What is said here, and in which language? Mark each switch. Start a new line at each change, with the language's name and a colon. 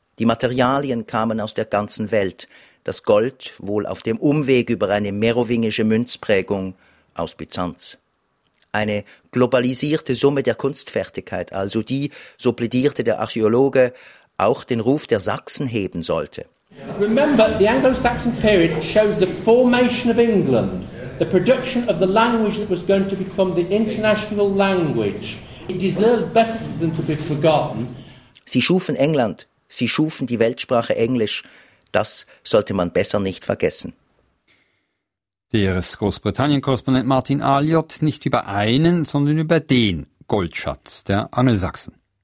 German: Die Materialien kamen aus der ganzen Welt, das Gold wohl auf dem Umweg über eine merowingische Münzprägung aus Byzanz. Eine globalisierte Summe der Kunstfertigkeit, also die, so plädierte der Archäologe, auch den Ruf der Sachsen heben sollte.
English: Remember, the Anglo-Saxon period shows the formation of England, the production of the language that was going to become the international language. It deserves better than to be forgotten.
German: Sie schufen England, sie schufen die Weltsprache Englisch. Das sollte man besser nicht vergessen. Der Großbritannien-Korrespondent Martin Aliot nicht über einen, sondern über den Goldschatz der Angelsachsen.